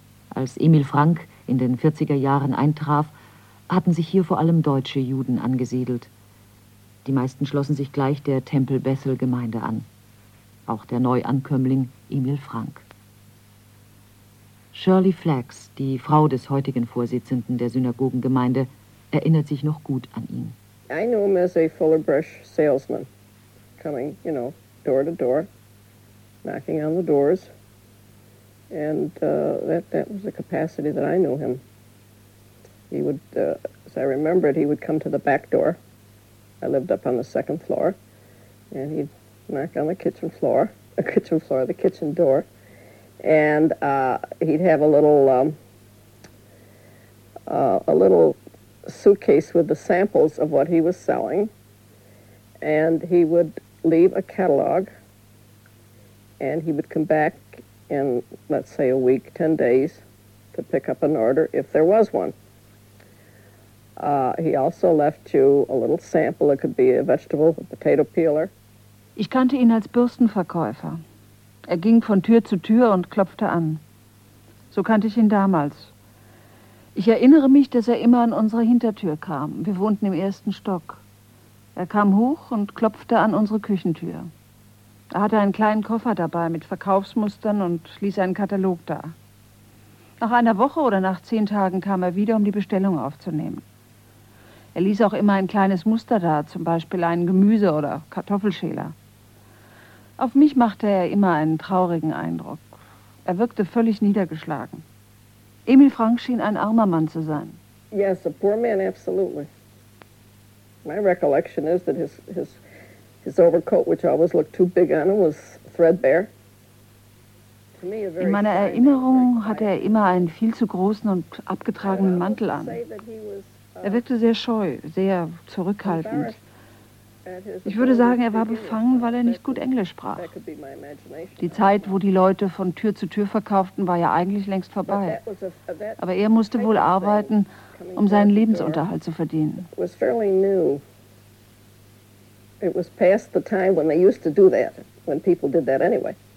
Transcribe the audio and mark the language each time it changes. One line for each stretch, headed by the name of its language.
German: Als Emil Frank in den 40er Jahren eintraf, hatten sich hier vor allem deutsche Juden angesiedelt. Die meisten schlossen sich gleich der Tempel-Bessel-Gemeinde an. Auch der Neuankömmling Emil Frank. Shirley Flax, die Frau des heutigen Vorsitzenden der Synagogengemeinde, erinnert sich noch gut an ihn.
English: I knew him as a Fuller Brush salesman, coming, you know, door to door, knocking on the doors. And that was the capacity that I knew him. He would, as I remember it, he would come to the back door. I lived up on the second floor. And he'd knock on the kitchen door. And he'd have a little suitcase with the samples of what he was selling. And he would leave a catalog. And he would come back in, let's say, a week, 10 days, to pick up an order if there was one. He also left you a little sample. It could be a vegetable, a potato peeler.
German: Ich kannte ihn als Bürstenverkäufer. Er ging von Tür zu Tür und klopfte an. So kannte ich ihn damals. Ich erinnere mich, dass er immer an unsere Hintertür kam. Wir wohnten im ersten Stock. Er kam hoch und klopfte an unsere Küchentür. Er hatte einen kleinen Koffer dabei mit Verkaufsmustern und ließ einen Katalog da. Nach einer Woche oder nach 10 Tagen kam er wieder, um die Bestellung aufzunehmen. Er ließ auch immer ein kleines Muster da, zum Beispiel einen Gemüse- oder Kartoffelschäler. Auf mich machte er immer einen traurigen Eindruck. Er wirkte völlig niedergeschlagen. Emil Frank schien ein armer Mann zu sein.
English: Yes, a poor man, absolutely. My recollection is that his overcoat, which always looked too big on him, was threadbare.
German: In meiner Erinnerung hatte er immer einen viel zu großen und abgetragenen Mantel an. Er wirkte sehr scheu, sehr zurückhaltend. Ich würde sagen, er war befangen, weil er nicht gut Englisch sprach. Die Zeit, wo die Leute von Tür zu Tür verkauften, war ja eigentlich längst vorbei. Aber er musste wohl arbeiten, um seinen Lebensunterhalt zu verdienen.
English: It was fairly new. It was past the time when they used to do that, when people did that anyway.